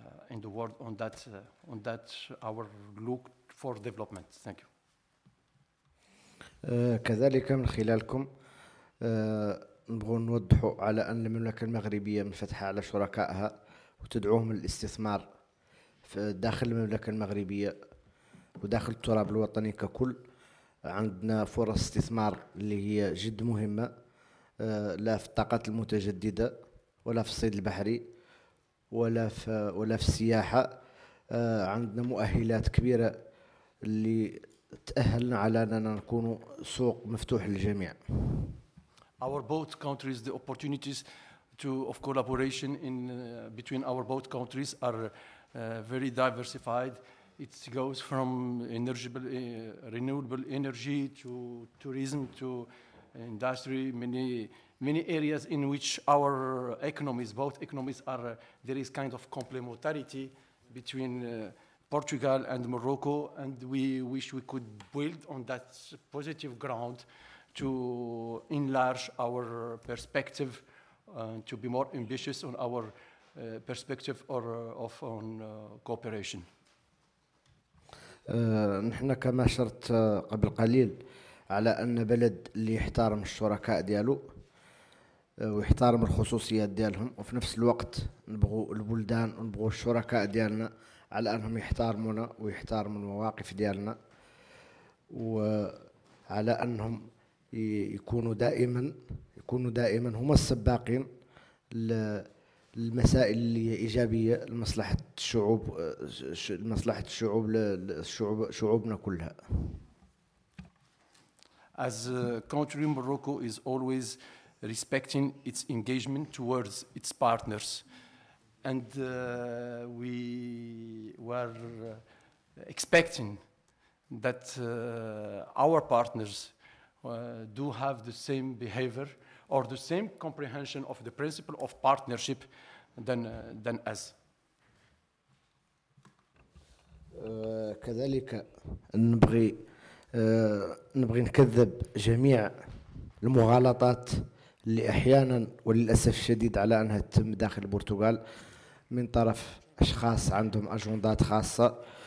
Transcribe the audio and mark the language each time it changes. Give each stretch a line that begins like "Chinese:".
English: In the world on that our look for development. Thank you.
Arabic: كذلك من خلالكم نبغوا نوضحوا على أن المملكة المغربية منفتحة على شركائها وتدعوهم للاستثمار في داخل المملكة المغربية وداخل التراب الوطني ككل عندنا فرص استثمار اللي هي جد مهمة لا في الطاقات المتجددة ولا في الصيد البحري ولا في السياحة عندنا مؤهلات كبيرة اللي تأهلنا على أننا نكون سوق مفتوح للجميع.
English: Our both countries, the opportunities to of collaboration in between our both countries are very diversified. It goes from energy, renewable energy to tourism to industry, many areas in which our economies, both economies, are there is kind of complementarity between Portugal and Morocco, and we wish we could build on that positive ground to enlarge our perspective, to be more ambitious on our perspective or of on cooperation.
Arabic: نحن كما شرت قبل قليل على أن بلد اللي يحترم الشركاء ديالو ويحترم الخصوصيات ديالهم، وفي نفس الوقت نبغوا البلدان ونبغوا الشركاء ديالنا على أنهم يحترمونا ويحترموا المواقف ديالنا، وعلى أنهم يكونوا دائما هما السباقين للمسائل اللي هي إيجابية لمصلحة الشعوب، لمصلحة الشعوب، للشعوب، شعوبنا كلها.
English: As a country, Morocco is always respecting its engagement towards its partners, and we were expecting that our partners do have the same behavior or the same comprehension of the principle of partnership than us.
Arabic: كذلك نبغي نبغي نكذب جميع المغالطات اللي أحيانا وللأسف الشديد على أنها تتم داخل البرتغال من طرف أشخاص عندهم أجندات خاصة،